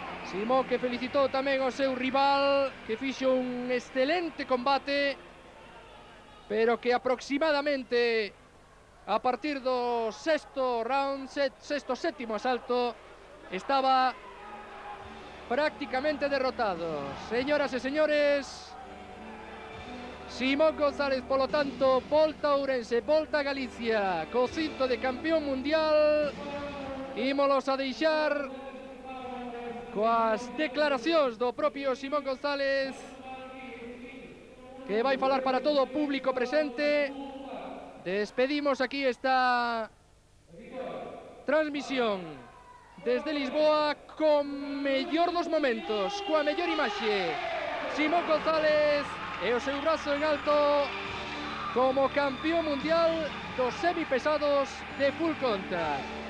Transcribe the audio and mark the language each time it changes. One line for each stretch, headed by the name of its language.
Spanish: Simón que felicitó también a su rival, que hizo un excelente combate, pero que aproximadamente a partir del sexto round, séptimo asalto, estaba prácticamente derrotado. Señoras y señores, Simón González, por lo tanto,
Galician: volta a Ourense, volta a Galicia, cocinto de campeón mundial. Ímolos a deixar coas declaracións do propio Simón González. que vai falar para todo o público presente. Despedimos aquí esta transmisión desde Lisboa con mellor dos momentos, coa mellor imaxe. Simón González e o seu brazo en alto como campeón mundial dos semipesados de full contact.